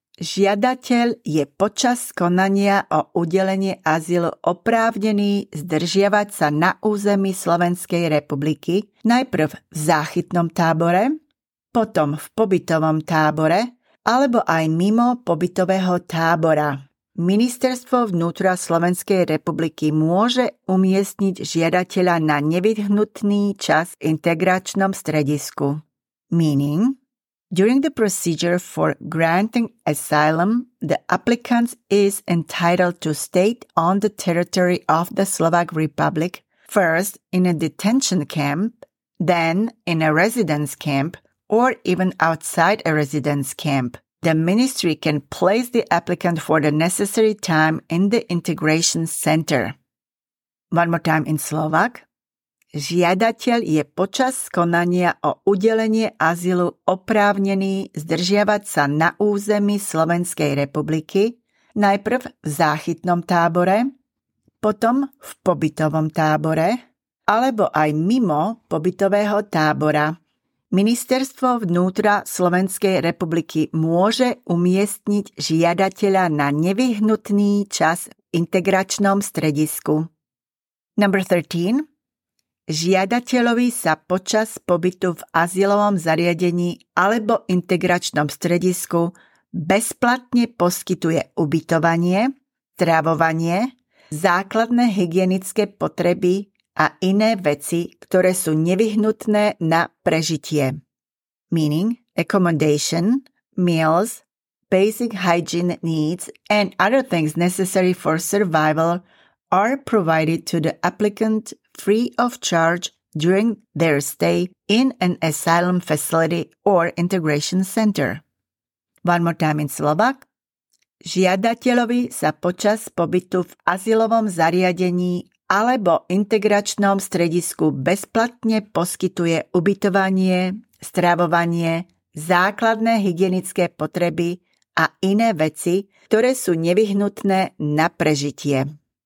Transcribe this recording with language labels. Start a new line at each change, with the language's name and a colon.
Slovak: Žiadateľ je počas konania o udelenie azylu oprávnený zdržiavať sa na území Slovenskej republiky najprv v záchytnom tábore, potom v pobytovom tábore alebo aj mimo pobytového tábora. Ministerstvo vnútra Slovenskej republiky môže umiestniť žiadateľa na nevyhnutný čas v integračnom stredisku.
English: Meaning, During the procedure for granting asylum, the applicant is entitled to stay on the territory of the Slovak Republic, first in a detention camp, then in a residence camp, or even outside a residence camp. The ministry can place the applicant for the necessary time in the integration center. One more time in Slovak.
Slovak: Žiadateľ je počas konania o udelenie azylu oprávnený zdržiavať sa na území Slovenskej republiky, najprv v záchytnom tábore, potom v pobytovom tábore, alebo aj mimo pobytového tábora. Ministerstvo vnútra Slovenskej republiky môže umiestniť žiadateľa na nevyhnutný čas v integračnom stredisku.
English: Number 13.
Slovak: Žiadateľovi sa počas pobytu v azylovom zariadení alebo integračnom stredisku bezplatne poskytuje ubytovanie, stravovanie, základné hygienické potreby a iné veci, ktoré sú nevyhnutné na prežitie.
English: Meaning, accommodation, meals, basic hygiene needs and other things necessary for survival are provided to the applicant free of charge during their stay in an asylum facility or integration center. One more time in Slovak.
Slovak: Žiadateľovi sa počas pobytu v azylovom zariadení alebo integračnom stredisku bezplatne poskytuje ubytovanie, stravovanie, základné hygienické potreby a iné veci, ktoré sú nevyhnutné na prežitie.